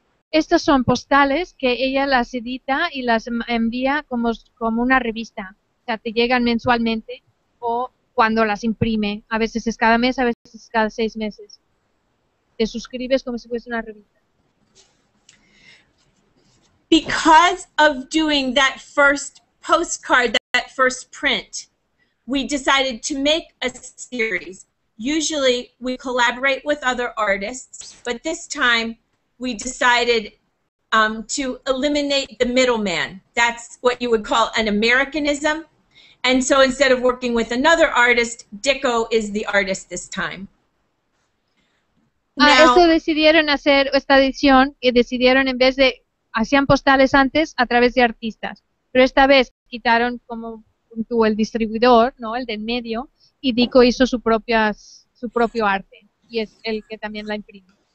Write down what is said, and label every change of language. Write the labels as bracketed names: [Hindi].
[Spanish] Estas son postales que ella las edita y las envía como una revista. O sea, te llegan mensualmente o cuando las imprime. A veces es cada mes, a veces es cada 6 meses. Te suscribes como si fuese una revista. [English] Because of doing that first postcard, that first print, we decided to make a series. Usually we collaborate with other artists, but this time we decided to eliminate the middleman. That's what you would call an Americanism. And so instead of working with another artist, Dicko is the artist this time. [Spanish] Now, esto decidieron hacer esta edición y decidieron en vez de hacían postales antes a través de artistas, pero esta vez quitaron como tú el distribuidor, ¿no? El del medio y Dicko hizo su propio arte y es el que también la imprime.